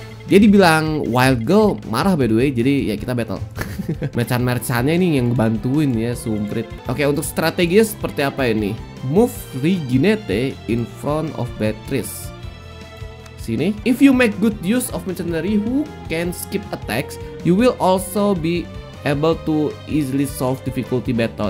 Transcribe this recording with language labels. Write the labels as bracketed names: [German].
[Indonesian] Dia dibilang [English] wild girl, [Indonesian] marah [English] by the way. [Indonesian] Jadi ya kita battle. Merchant-merchantnya ini yang bantuin ya, sumprit. Oke, untuk strateginya seperti apa ini? [English] Move Reginete in front of Beatrice. [Indonesian] Sini. [English] If you make good use of mercenary who can skip attacks, you will also be able to easily solve difficulty battle.